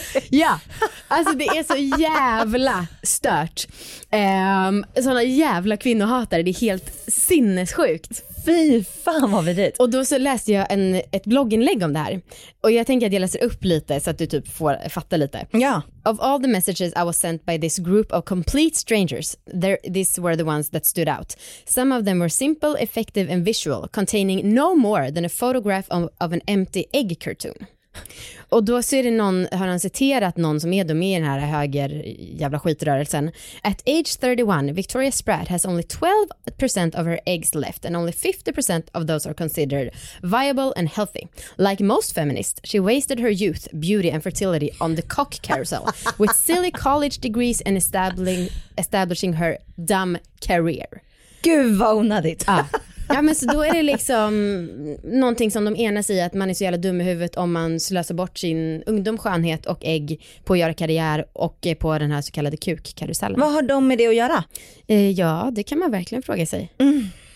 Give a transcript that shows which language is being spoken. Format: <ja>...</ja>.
<sv>Ja, alltså det är så jävla stört. Sådana jävla kvinnohatare, det är helt sinnessjukt. Fy fan vad vidrigt. Och då så läste jag ett blogginlägg om det här. Och jag tänker att jag läser upp lite så att du typ får fatta lite. Ja.</sv> <en>Of all the messages I was sent by this group of complete strangers, these were the ones that stood out. Some of them were simple, effective and visual, containing no more than a photograph of an empty egg cartoon.</en> <sv>Och då ser det någon, har han citerat någon som är med i den här höger jävla skitrörelsen.</sv> <en>At age 31, Victoria Spratt has only 12% of her eggs left and only 50% of those are considered viable and healthy. Like most feminists, she wasted her youth, beauty and fertility on the cock carousel with silly college degrees and establishing her dumb career.</en> <sv>Gud vad onödigt. Ja. Ja, men så då är det liksom någonting som de enas i, att man är så jävla dum i huvudet om man slösar bort sin ungdomsskönhet och ägg på att göra karriär och på den här så kallade kukkarusellen. Vad har de med det att göra? Ja, det kan man verkligen fråga sig. Mm.</sv>